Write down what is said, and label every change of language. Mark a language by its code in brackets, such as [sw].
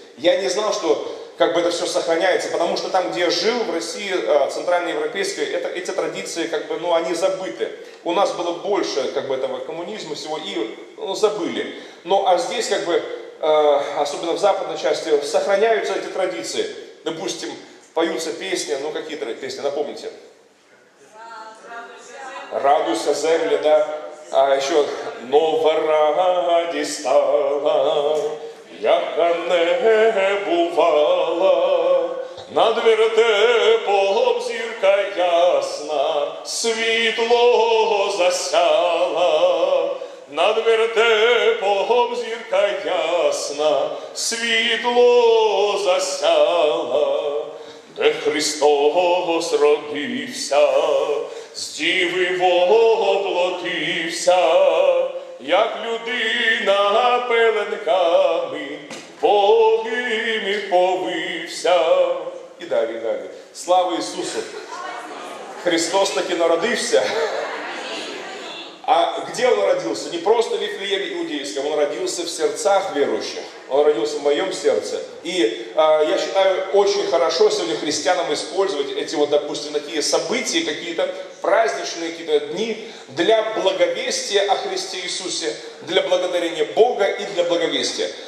[ru] Я не знал, что как бы это все сохраняется, потому что там, где я жил, в России, центральноевропейской, эти традиции, как бы, ну, они забыты. У нас было больше, как бы, этого коммунизма всего, и, ну, забыли. Ну, а здесь, как бы, особенно в западной части, сохраняются эти традиции. Допустим, поются песни, ну, какие-то песни, напомните. «Радуйся, земля», да. [uk] А еще «Нова раді стала, яка не бувала, над вертепом зірка ясна, світло засяла, над вертепом зірка ясна, світло засяла, де Христос родився, з діви воплотився, як людина пеленками, Богом і повився». І далі, і далі. Слава Ісусу! Христос таки народився. [ru] А где он родился? Не просто в Вифлееме Иудейском, он родился в сердцах верующих. Он родился в моем сердце. И я считаю, очень хорошо сегодня христианам использовать эти вот, допустим, такие события, какие-то праздничные какие-то дни для благовестия о Христе Иисусе, для благодарения Бога и для благовестия.